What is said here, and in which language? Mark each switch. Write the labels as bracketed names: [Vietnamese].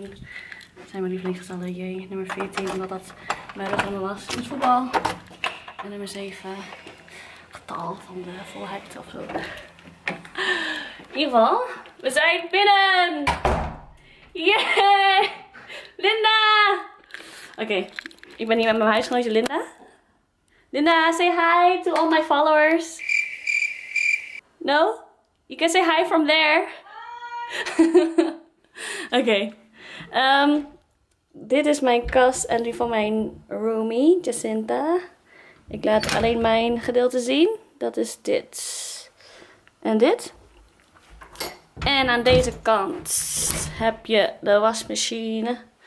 [Dutch] Dat zijn mijn lievelingsgetallen. Jee, nummer 14, omdat dat mijn rugnummer was. Het is voetbal. En nummer 7, getal van de volheid ofzo. In ieder geval, we zijn binnen! Yeah! Linda! Oké. Ik ben hier met mijn huisgenootje Linda. [English] Linda, say hi to all my followers. No? You can say hi from there. [Dutch] Oké. Dit is mijn kast en die van mijn roomie, Jacinta. Ik laat alleen mijn gedeelte zien. Dat is dit. En dit. En aan deze kant heb je de wasmachine.